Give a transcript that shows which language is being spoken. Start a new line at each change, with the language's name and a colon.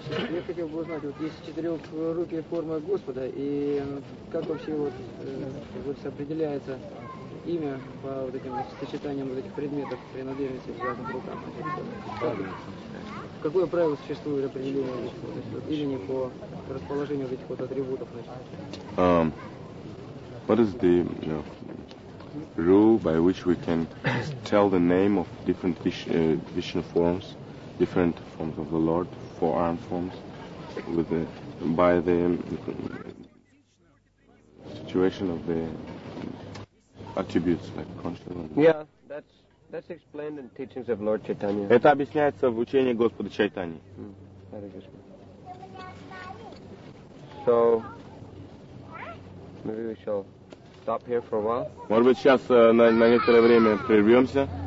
Russian: Я хотел бы узнать, вот есть четырехрукие формы Господа, и как вообще вот определяется имя по вот этим сочетаниям вот этих предметов принадлежности к разным рукам? Какое правило существует определение вот, имени по расположению вот этих вот атрибутов?
English: What is the rule by which we can tell the name of different Vishnu forms, different forms of the Lord? Forearm forms with the by the situation of the attributes like consciousness. Yeah, that's explained in teachings of Lord Chaitanya.
Russian: Это объясняется в учении Господа Чайтани.
English: So maybe we shall stop here for a while.
Russian: Может быть сейчас на некоторое время прервемся.